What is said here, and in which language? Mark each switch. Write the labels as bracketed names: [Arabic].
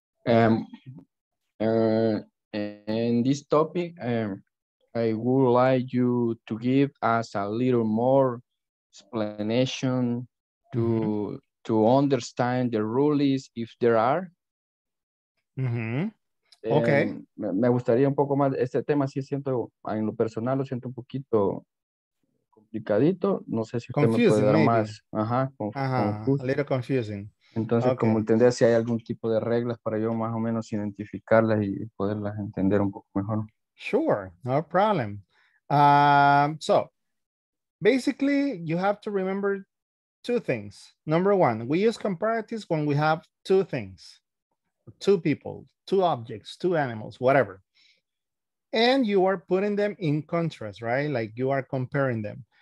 [English] In this topic, I would like you to give us a little more explanation to to understand the rules, if there are. Okay. [Spanish] Me gustaría un poco más este tema. Sí, siento en lo personal lo siento un poquito complicadito. No sé si usted me puede dar más. Ajá. Confuso. [English] A little confusing. [Spanish] Entonces, okay. Como entender si hay algún tipo de reglas para yo más o menos identificarlas y poderlas entender un poco mejor. [English] Sure, no problem. So, basically, you have to remember two things. Number one, we use comparatives when we have two things, two people, two objects, two animals, whatever. And you are putting them in contrast, right? Like you are comparing them.